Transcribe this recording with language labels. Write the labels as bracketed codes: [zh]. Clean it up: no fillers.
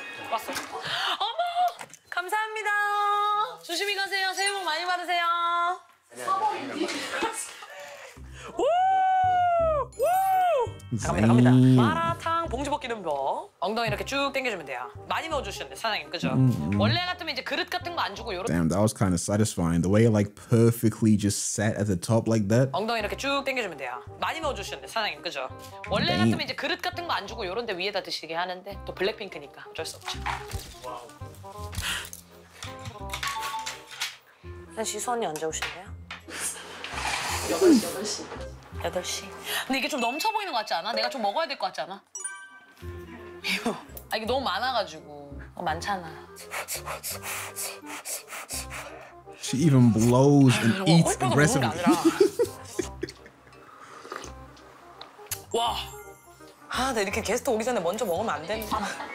[ko] 왔어. 감사합니다. 조심히 가세요. 새해 복 많이 받으세요. 사범이 우! 우! 갑니다. 마라탕 봉지 벗기는 법. 엉덩이 이렇게 쭉 당겨주면 돼요. 많이 넣어주시면 돼요, 사장님. 그죠? 원래 같으면 이제 그릇 같은 거 안 주고 요렇게. [en] Damn, that was kind of satisfying. The way it like perfectly just sat at the top like that. [ko] 엉덩이 이렇게 쭉 당겨주면 돼요. 많이 넣어주시면 돼요, 사장님. [en] 그죠? 원래 Damn. [ko] 같으면 이제 그릇 같은 거 안 주고 요런 데 위에다 드시게 하는데 또 블랙핑크니까 어쩔 수 없죠. 시수 언니 언제 오실래요? 8시. 근데 이게 좀 넘쳐 보이는 것 같지 않아? 내가 좀 먹어야 될 것 같지 않아? 이거. 아 이게 너무 많아가지고. 어, 많잖아. [en] She even blows and eats aggressively. [ko] 와. 아, 나 이렇게 게스트 오기 전에 먼저 먹으면 안 되는구나.